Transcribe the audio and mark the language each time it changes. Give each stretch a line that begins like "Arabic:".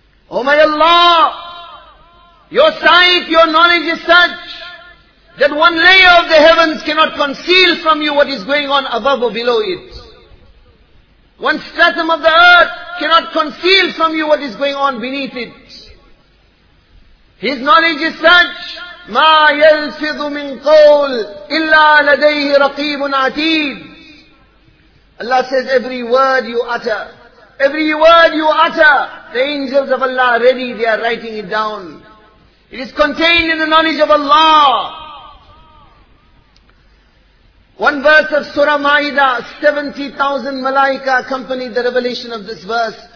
English: O my Allah, your sight, your knowledge is such that one layer of the heavens cannot conceal from you what is going on above or below it. One stratum of the earth cannot conceal from you what is going on beneath it. His knowledge is such,
Arabic: مَا يَلْفِظُ مِنْ قَوْلٍ إِلَّا لَدَيْهِ رَقِيبٌ عَتِيدٌ.
English: Allah says, every word you utter, every word you utter, the angels of Allah are ready, they are writing it down. It is contained in the knowledge of Allah. One verse of Surah Ma'idah, 70,000 malaika accompanied the revelation of this verse.